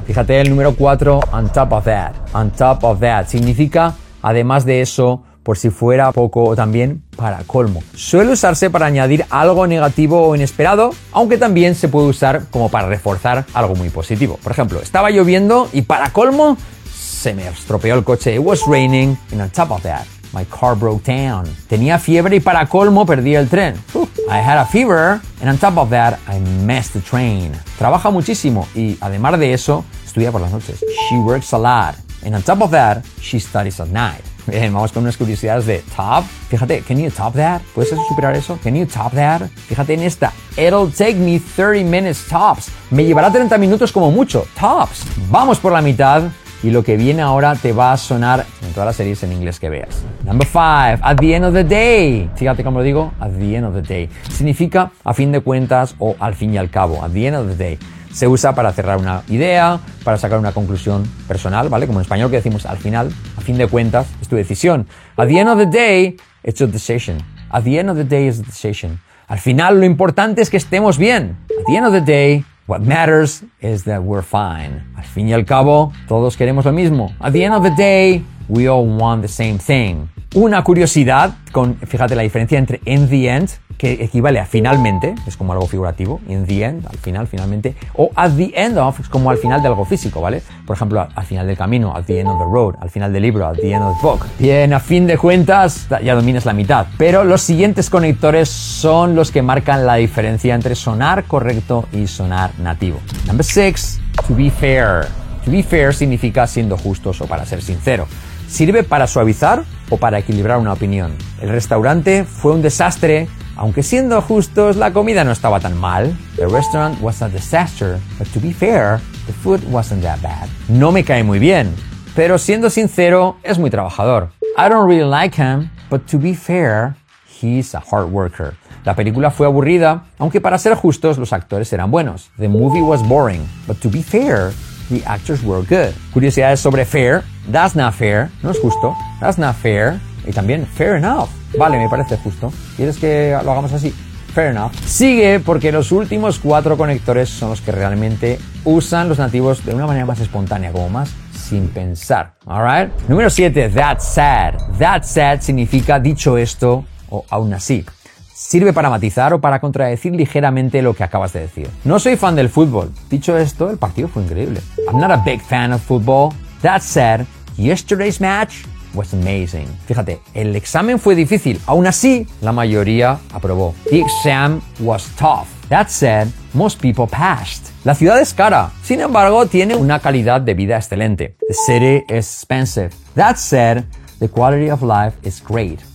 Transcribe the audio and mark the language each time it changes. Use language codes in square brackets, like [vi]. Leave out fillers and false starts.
[es] Fíjate el número 4, on top of that. On top of that significa además de eso, por si fuera poco o también para colmo. Suele usarse para añadir algo negativo o inesperado, aunque también se puede usar como para reforzar algo muy positivo. Por ejemplo, estaba lloviendo y para colmo se me estropeó el coche. [en] It was raining and on top of that, my car broke down. [es] Tenía fiebre y para colmo perdí el tren. [en] I had a fever and on top of that, I missed the train. [es] Trabaja muchísimo y además de eso, estudia por las noches. [en] She works a lot and on top of that, she studies at night. [es] Bien, vamos con unas curiosidades de top. Fíjate, [en] can you top that? [es] ¿Puedes superar eso? [en] Can you top that? [es] Fíjate en esta. [en] It'll take me 30 minutes tops. [es] Me llevará 30 minutos como mucho. Tops. Vamos por la mitad. Y lo que viene ahora te va a sonar en todas las series en inglés que veas. [en] Number 5, at the end of the day. [es] Fíjate cómo lo digo, [en] at the end of the day. [es] Significa a fin de cuentas o al fin y al cabo, [en] at the end of the day. [es] se usa para cerrar una idea, para sacar una conclusión personal, ¿vale? Como en español que decimos, al final, a fin de cuentas, es tu decisión. [en] At the end of the day, it's a decision. At the end of the day, it's a decision. [es] Al final, lo importante es que estemos bien. [en] At the end of the day, what matters is that we're fine. [es] Al fin y al cabo, todos queremos lo mismo. [en] At the end of the day, we all want the same thing. [es] Una curiosidad, con, fíjate la diferencia entre in the end, que equivale a finalmente, es como algo figurativo, in the end, al final, finalmente, o at the end of, es como al final de algo físico, ¿vale? Por ejemplo, al final del camino, [en] at the end of the road, [es] al final del libro, [en] at the end of the book. [es] Bien, a fin de cuentas, ya dominas la mitad. Pero los siguientes conectores son los que marcan la diferencia entre sonar correcto y sonar nativo. [en] Number six, to be fair. To be fair [es] significa siendo justos o para ser sincero. Sirve para suavizar o para equilibrar una opinión. El restaurante fue un desastre, aunque siendo justos, la comida no estaba tan mal. [en] The restaurant was a disaster, but to be fair, the food wasn't that bad. [es] No me cae muy bien, pero siendo sincero, es muy trabajador. [en] I don't really like him, but to be fair, he's a hard worker. [es] La película fue aburrida, aunque para ser justos, los actores eran buenos. [en] The movie was boring, but to be fair, the actors were good. [es] Curiosidades sobre [en] fair. That's not fair. [es] No es justo. [en] That's not fair. [es] Y también fair enough. Vale, me parece justo. ¿Quieres que lo hagamos así? [en] Fair enough. [es] Sigue, porque los últimos cuatro conectores son los que realmente usan los nativos de una manera más espontánea, como más sin pensar. [en] All right? [es] Número 7. That's sad. That's sad significa dicho esto o aún así. Sirve para matizar o para contradecir ligeramente lo que acabas de decir. No soy fan del fútbol. Dicho esto, el partido fue increíble. [en] I'm not a big fan of football. That said, yesterday's match was amazing. [es] Fíjate, el examen fue difícil. Aún así, la mayoría aprobó. [en] The exam was tough. That said, most people passed. [es] La ciudad es cara. Sin embargo, tiene una calidad de vida excelente. [en] The city is expensive. That said, the quality of life is great.